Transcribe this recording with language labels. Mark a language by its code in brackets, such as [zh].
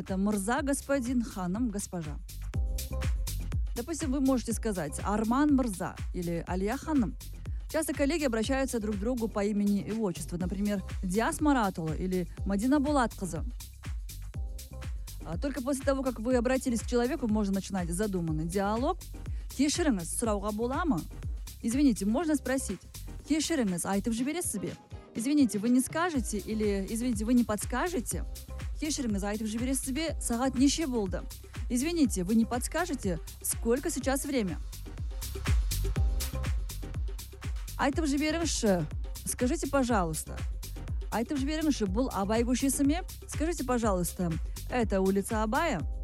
[ru] Это «мырза», «господин», «ханам», «госпожа». Допустим, вы можете сказать «Арман Мырза» или «Алия Ханам». Часто коллеги обращаются друг к другу по имени и отчеству. Например, «Диас Маратула» или «Мадина Булатказа». Только после того, как вы обратились к человеку, можно начинать задуманный диалог. [kk] «Кешириңіз, сұрауға бола ма?» [ru] Извините, можно спросить. [kk] «Кешириңіз, айтып жібересіз бе?» [ru] Извините, вы не скажете или извините, вы не подскажете. [kk] «Кешириңіз, айтып жібересіз бе?» «Сағат неше болды?» [ru] Извините, вы не подскажете, сколько сейчас время? [kk] Айтып жіберіңізші, [ru] скажите, пожалуйста. [kk] Айтып жіберіңізші, бұл Абай көшесі ме? [ru] Скажите, пожалуйста, это улица Абая?